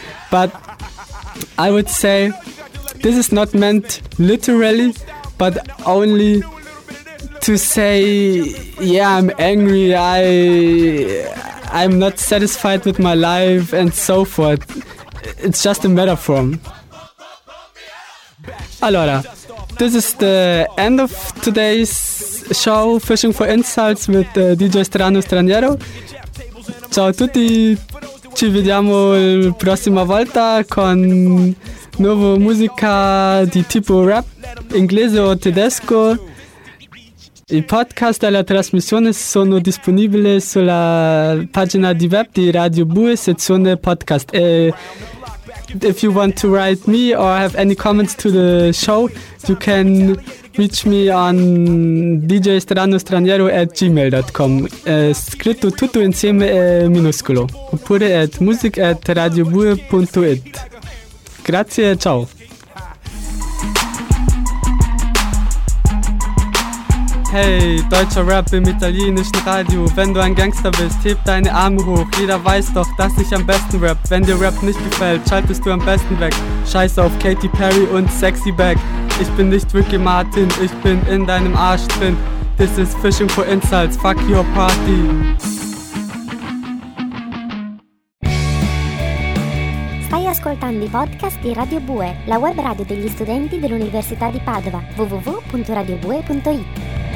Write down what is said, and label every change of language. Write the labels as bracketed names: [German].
[English] But I would say this is not meant literally, but only to say, yeah, I'm angry, I'm not satisfied with my life, and so forth. It's just a metaphor. [Italian] Allora, [English] this is the end of today's show, Fishing for Insults, with DJ Strano Straniero. [Italian] Ciao a tutti! Ci vediamo la prossima volta con nuova musica di tipo rap, inglese o tedesco. I podcast della trasmissione sono disponibili sulla pagina di web di Radio Bue, sezione podcast. [English] If you want to write me or have any comments to the show, you can reach me on djstranostraniero@gmail.com. [Italian] Scritto tutto insieme e minuscolo. Oppure at music@radiobue.it. Grazie, ciao. [German] Hey, deutscher Rap im italienischen Radio. Wenn du ein Gangster bist, heb deine Arme hoch. Jeder weiß doch, dass ich am besten rap. Wenn dir Rap nicht gefällt, schaltest du am besten weg. Scheiße auf Katy Perry und Sexy Back. Ich bin nicht Ricky Martin, ich bin in deinem Arsch drin. [English] This is Fishing for Insults, fuck your party. [Italian] Ascoltando i podcast di Radio Bue, la web radio degli studenti dell'Università di Padova, www.radiobue.it.